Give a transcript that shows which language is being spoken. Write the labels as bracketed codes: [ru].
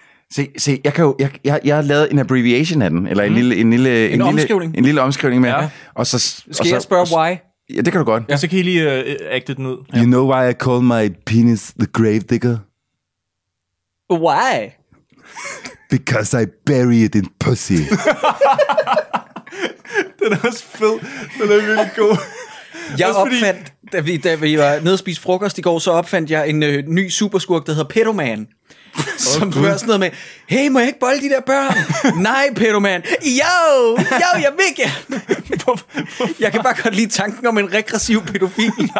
[da] Se, jeg kan jo, jeg har lavet en abbreviation af den, eller en lille omskrivning med. Ja. Og så skal og jeg så, spørge why? Ja, det kan du godt. Ja. Så kan I lige acte den ud. [en] You know why I call my penis the grave digger? Why? Because I bury it in pussy. [da] Den er også fed. Den er virkelig god. Jeg opfandt, da vi var nede og spiste frokost i går, så opfandt jeg en ny superskurk, der hedder Pedoman. Som hører sådan noget med, hey, må jeg ikke bolle de der børn? Nej, Pedoman. Yo, jeg vil ikke. Jeg kan bare godt lide tanken om en regressiv pædofil.